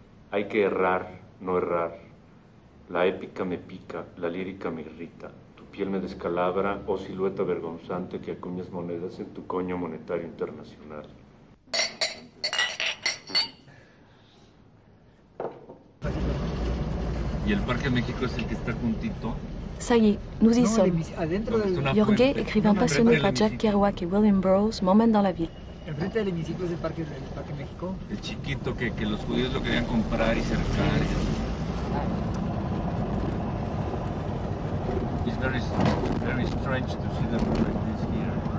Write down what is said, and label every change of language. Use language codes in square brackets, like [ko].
[es] Hay que errar, no errar. La épica me pica, la lírica me irrita. Piel me descalabra, oh silueta vergonzante que acuñas monedas en tu coño monetario internacional. ¿Y el Parque México es el que está juntito? [fr] Ça y est, nous y sommes. Adentro Jorge, écrivain passionné par Jack Kerouac et William Burroughs, m'emmène dans la ville. [es] Enfrente del hemiciclo es el Parque México. El chiquito que los judíos lo querían comprar y cercar. [en] It's very, very strange to see them like this here.